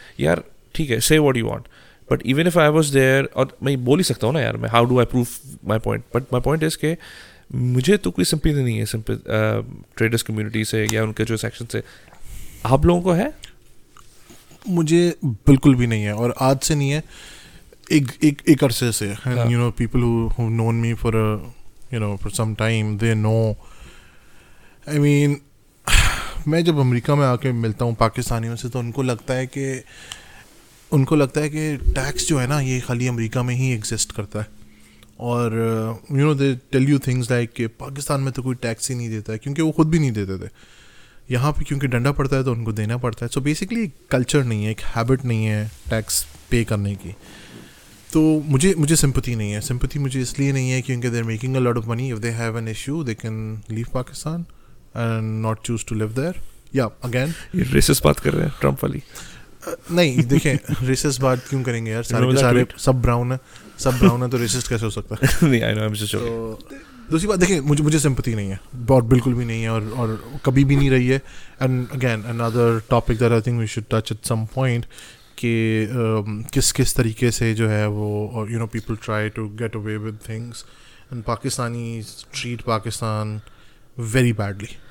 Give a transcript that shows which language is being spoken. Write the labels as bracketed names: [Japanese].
[Urdu] یار ٹھیک ہے, [English] سے what you want, but even if I was there, [Urdu] اور میں بول ہی سکتا ہوں نا یار, میں [English] how do I proof my point, but my point is [Urdu] کہ مجھے تو کوئی سمپتی نہیں ہے ٹریڈرز کمیونٹی سے یا ان کے جو سیکشن سے. آپ لوگوں کو ہے؟ مجھے بالکل بھی نہیں ہے, اور آج سے نہیں ہے, ایک عرصے سے. [English] You know people who known me for you know for some time they know. I mean [Urdu] میں جب امریکہ میں آ کے ملتا ہوں پاکستانیوں سے تو ان کو لگتا ہے کہ ٹیکس جو ہے نا یہ خالی امریکہ میں ہی ایگزسٹ کرتا ہے, اور [English] you know they tell you things like [Urdu] کہ پاکستان میں تو کوئی ٹیکس ہی نہیں دیتا ہے, کیونکہ وہ خود بھی نہیں دیتے تھے. یہاں پہ کیونکہ ڈنڈا پڑتا ہے تو ان کو دینا پڑتا ہے. سو بیسکلی ایک کلچر نہیں ہے, ایک ہیبٹ نہیں ہے ٹیکس پے کرنے کی. تو مجھے سمپتی نہیں ہے. سمپتی مجھے اس لیے نہیں ہے کیونکہ [English] They are making a lot of money. If they have an issue they can leave Pakistan and not choose to leave there. [Urdu] یا اگین یہ ریسس بات کر رہے ہیں ٹرمپ والی. نہیں دیکھیں ریسس بات کیوں کریں گے یار, سارے سب براؤن ہیں, سب براؤن ہیں تو ریسسٹ کیسے ہو سکتا ہے. [English] نہیں I know I'm just joking. [Urdu] دوسری بات دیکھیں مجھے سمپتی نہیں ہے بہت بالکل بھی نہیں ہے اور کبھی بھی نہیں رہی ہے [English] and again اندر topic that I think we should touch at some point [Urdu] کہ کس کس طریقے سے جو ہے وہ [English] You know people try to get away with things and Pakistani treat Pakistan very badly.